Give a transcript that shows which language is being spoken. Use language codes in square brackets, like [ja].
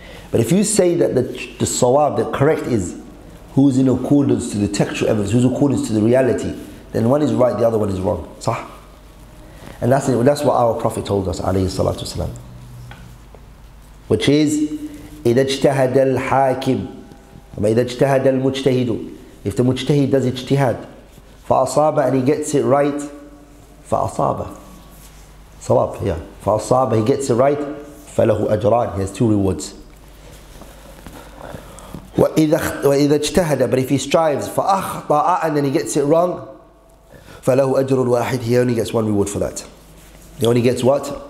[en] But if you say that the sawab, the correct is, who's in accordance to the textual evidence, who's in accordance to the reality, then one is right, the other one is wrong. Sah? And that's what our Prophet told us, alayhi salatu wasalam. Which is, [ar] إذا اجتهد الحاكم أما إذا اجتهد المجتهد [en] if the mujtahid does [ar] اجتهاد فأصاب [en] and he gets it right [ar] فأصاب صواب yeah. فأصاب [en] he gets it right [ar] فله أجران [en] he has two rewards [ar] وإذا اجتهد [en] but if he strives [ar] فأخطأ [en] and then he gets it wrong [ar] فله أجر واحد [en] he only gets one reward for that he only gets what?